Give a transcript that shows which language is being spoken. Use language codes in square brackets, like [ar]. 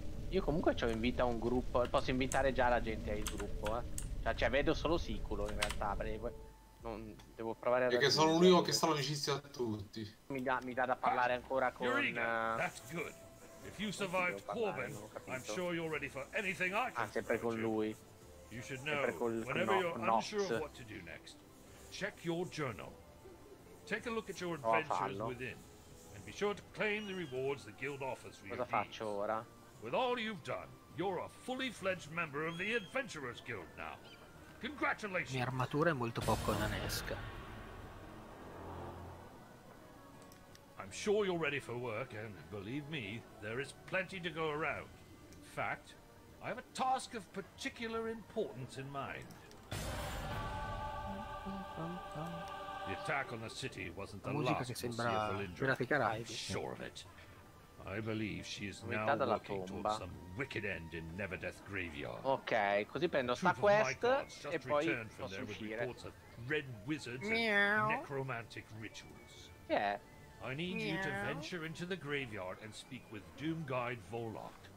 [it] Io comunque ci ho invita un gruppo, posso invitare già la gente al gruppo, eh? Cioè vedo solo Siculo in realtà, perché non devo provare a. Perché sono l'unico che sta amicizia a tutti. Mi dà da parlare ancora con. [en] Eureka, that's good. If you survived Corbin, I'm sure you're ready for anything I can. [it] Ah, sempre con lui. [en] You should know whenever you're unsure of what to do next, check your journal. Take a look at your adventures within, and be sure to claim the rewards the guild offers for you. [it] Cosa faccio ora? [en] With all you've done, you're a fully fledged member of the Adventurers Guild now. Congratulations! [it] Mia armatura è molto poco nanesca. [en] I'm sure you're ready for work, and believe me, there is plenty to go around. In fact, I have a task of particular importance in mind. The attack on the city wasn't the last to see of Valindra. I'm sure of it. I believe she is now working Towards some wicked end in Neverdeath Graveyard. [it] Ok, così prendo sta quest e poi posso uscire. [en] Red wizards and necromantic rituals. Yeah. I need you to venture into the graveyard and speak with Doomguide Volok.